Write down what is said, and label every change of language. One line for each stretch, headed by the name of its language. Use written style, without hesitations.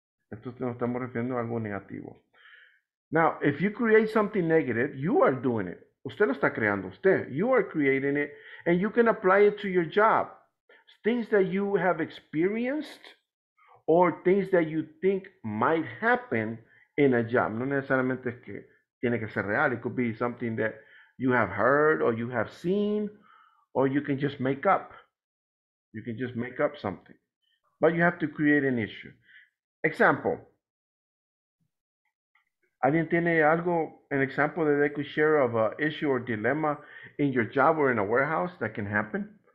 Spanish: Entonces nos estamos refiriendo a algo negativo.
English: Now, if you create something negative, you are doing it.
Spanish: Usted lo está creando, usted.
English: You are creating it, and you can apply it to your job. Things that you have experienced or things that you think might happen in a job.
Spanish: No necesariamente es que tiene que ser real.
English: It could be something that you have heard or you have seen, or you can just make up. You can just make up something. But you have to create an issue. Example.
Spanish: ¿Alguien tiene algo,
English: an example that they could share of an issue or dilemma in your job or in a warehouse that can happen?